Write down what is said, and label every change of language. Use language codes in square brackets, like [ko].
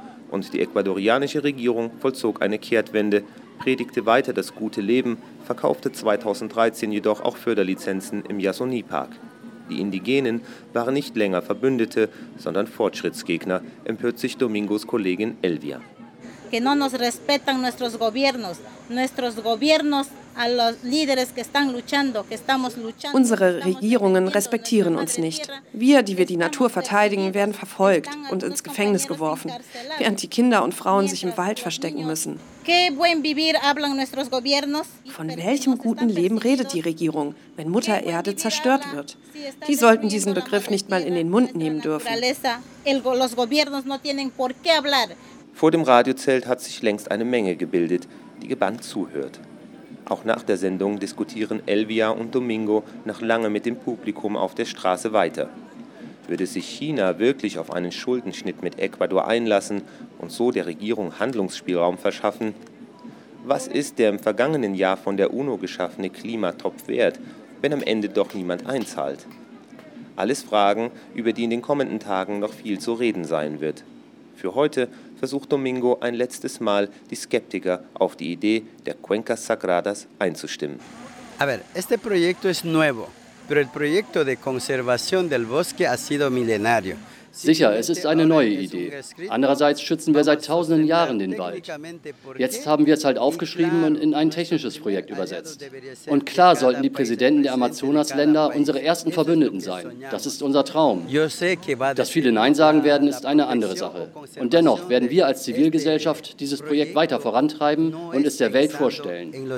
[de] Und die ecuadorianische Regierung vollzog eine Kehrtwende, predigte weiter das gute Leben, verkaufte 2013 jedoch auch Förderlizenzen im Yasuni-Park. Die Indigenen waren nicht länger Verbündete, sondern Fortschrittsgegner, empört sich Domingos Kollegin Elvia. [es] que no nos respetan nuestros gobiernos. Nuestros gobiernos a los líderes que están luchando, que estamos luchando. [de] Unsere Regierungen respektieren uns nicht. Wir, die wir die Natur verteidigen, werden verfolgt und ins Gefängnis geworfen, während die Kinder und Frauen sich im Wald verstecken müssen. [es] ¿Qué buen vivir hablan nuestros gobiernos? [de] Von welchem guten Leben redet die Regierung, wenn Mutter Erde zerstört wird? Die sollten diesen Begriff nicht mal in den Mund nehmen dürfen. [es] Los gobiernos no tienen por qué hablar. [de] Vor dem Radiozelt hat sich längst eine Menge gebildet, die gebannt zuhört. Auch nach der Sendung diskutieren Elvia und Domingo noch lange mit dem Publikum auf der Straße weiter. Würde sich China wirklich auf einen Schuldenschnitt mit Ecuador einlassen und so der Regierung Handlungsspielraum verschaffen? Was ist der im vergangenen Jahr von der UNO geschaffene Klimatopf wert, wenn am Ende doch niemand einzahlt? Alles Fragen, über die in den kommenden Tagen noch viel zu reden sein wird. Für heute versucht Domingo ein letztes Mal, die Skeptiker auf die Idee der Cuencas Sagradas einzustimmen. [es] A ver, este proyecto es nuevo, pero el proyecto de conservación del bosque ha sido milenario. [de] Sicher, es ist eine neue Idee. Andererseits schützen wir seit tausenden Jahren den Wald. Jetzt haben wir es halt aufgeschrieben und in ein technisches Projekt übersetzt. Und klar sollten die Präsidenten der Amazonasländer unsere ersten Verbündeten sein. Das ist unser Traum. Dass viele Nein sagen werden, ist eine andere Sache. Und dennoch werden wir als Zivilgesellschaft dieses Projekt weiter vorantreiben und es der Welt vorstellen.